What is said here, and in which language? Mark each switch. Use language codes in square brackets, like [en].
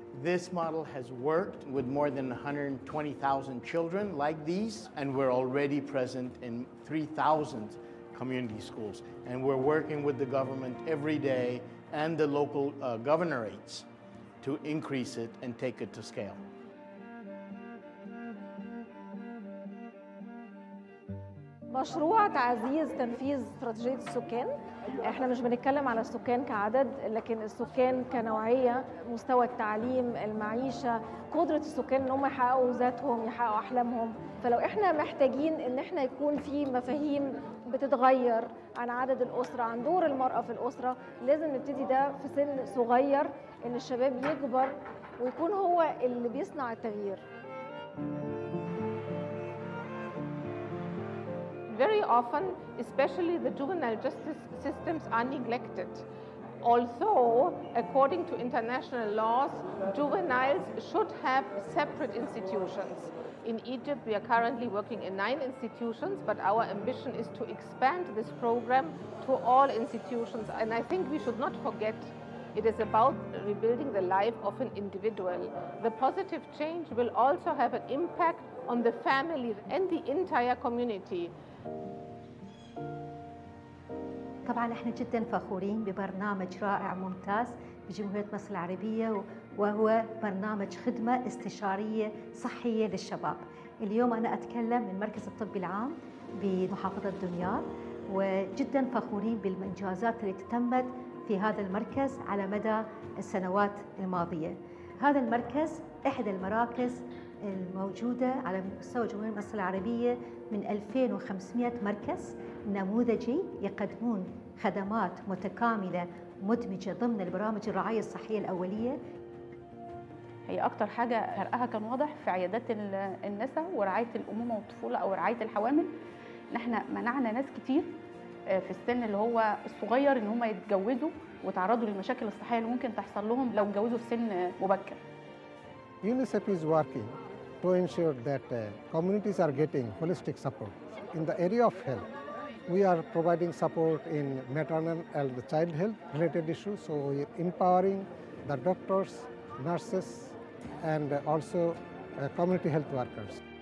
[en] This model has worked with more than 120,000 children like these, and we're already present in 3,000 community schools. And we're working with the government every day and the local governorates to increase it and take it to scale. [ar] مشروع تعزيز تنفيذ استراتيجية السكان، احنا مش بنتكلم على السكان كعدد لكن السكان كنوعية، مستوى التعليم، المعيشة، قدرة السكان ان هم يحققوا ذاتهم، يحققوا احلامهم. فلو احنا محتاجين ان احنا يكون في مفاهيم بتتغير عن عدد الأسرة، عن دور المرأة في الأسرة، لازم نبتدي ده في سن صغير، ان الشباب يكبر ويكون هو اللي بيصنع التغيير. [en] Very often, especially the juvenile justice systems are neglected. Although, according to international laws, juveniles should have separate institutions. In Egypt, we are currently working in 9 institutions, but our ambition is to expand this program to all institutions. And I think we should not forget, it is about rebuilding the life of an individual. The positive change will also have an impact on the family and the entire community. [ar] طبعا احنا جدا فخورين ببرنامج رائع ممتاز بجمهوريه مصر العربيه، وهو برنامج خدمه استشاريه صحيه للشباب. اليوم انا اتكلم من مركز الطبي العام بمحافظه دمياط، وجدا فخورين بالانجازات التي تمت في هذا المركز على مدى السنوات الماضيه. هذا المركز احدى المراكز الموجوده على مستوى جمهوريه مصر العربيه، من 2500 مركز نموذجي يقدمون خدمات متكامله مدمجه ضمن البرامج الرعايه الصحيه الاوليه. هي اكتر حاجه فرقها كان واضح في عيادات النساء ورعايه الامومه والطفوله او رعايه الحوامل، ان احنا منعنا ناس كتير في السن اللي هو الصغير ان هم يتجوزوا وتعرضوا للمشاكل الصحيه اللي ممكن تحصل لهم لو اتجوزوا في سن مبكر. [en] UNICEF is working to ensure that communities are getting holistic support in the area of health. We are providing support in maternal and the child health related issues. So we are empowering the doctors, nurses, and also community health workers.